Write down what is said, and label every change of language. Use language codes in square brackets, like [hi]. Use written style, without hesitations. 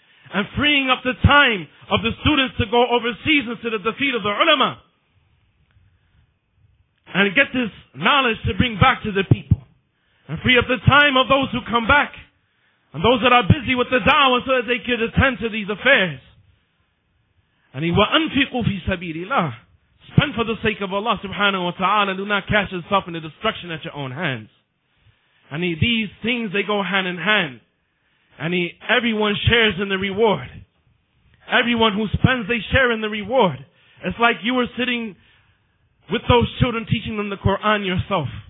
[en] And freeing up the time of the students to go overseas into the defeat of the ulama. And get this knowledge to bring back to the people. And free up the time of those who come back. And those that are busy with the da'wah so that they could attend to these affairs. And he [ar] وَأَنْفِقُوا فِي سَبِيلِ اللَّهِ. [en] Spend for the sake of Allah subhanahu wa ta'ala, and do not cast yourself into destruction at your own hands. And these things, they go hand in hand. And everyone shares in the reward. Everyone who spends, they share in the reward. It's like you were sitting with those children teaching them the Quran yourself.